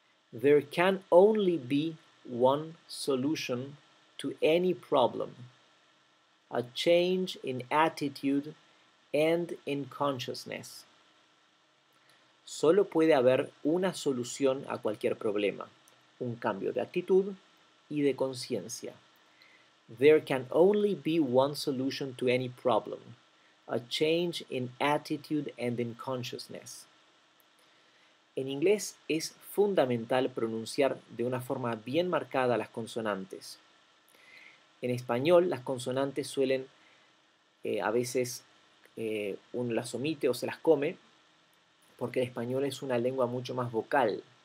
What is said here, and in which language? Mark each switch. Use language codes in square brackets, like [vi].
[en] There can only be one solution to any problem, a change in attitude and in consciousness. [es] Solo puede haber una solución a cualquier problema, un cambio de actitud y de conciencia. [en] There can only be one solution to any problem, a change in attitude and in consciousness. [es] En inglés es fundamental pronunciar de una forma bien marcada las consonantes. En español las consonantes suelen, a veces uno las omite o se las come, porque el español es una lengua mucho más vocal.